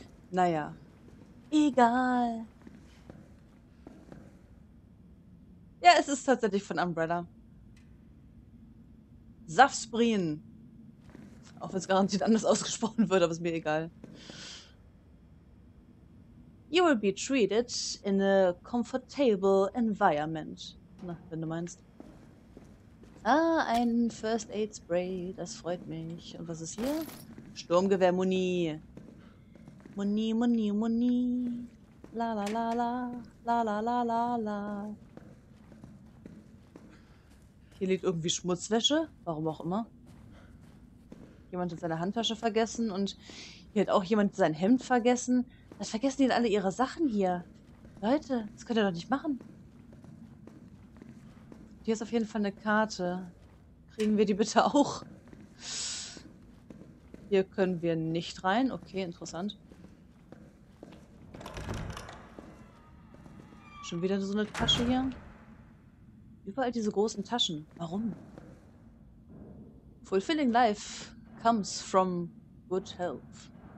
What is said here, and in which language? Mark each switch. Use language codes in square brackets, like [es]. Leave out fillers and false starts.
[de] Naja. Egal. Ja, es ist tatsächlich von Umbrella. Safsprien. Auch wenn es garantiert anders ausgesprochen wird, aber ist mir egal. [en] You will be treated in a comfortable environment. [de] Na, wenn du meinst. Ah, ein First Aid Spray. Das freut mich. Und was ist hier? Sturmgewehr Muni. Muni, Muni, Muni. La, la, la, la. La, la, la, la, la. Hier liegt irgendwie Schmutzwäsche. Warum auch immer. Jemand hat seine Handtasche vergessen. Und hier hat auch jemand sein Hemd vergessen. Was vergessen denn alle ihre Sachen hier? Leute, das könnt ihr doch nicht machen. Hier ist auf jeden Fall eine Karte. Kriegen wir die bitte auch? Hier können wir nicht rein. Okay, interessant. Schon wieder so eine Tasche hier. Überall diese großen Taschen. Warum? [en] Fulfilling life comes from good health.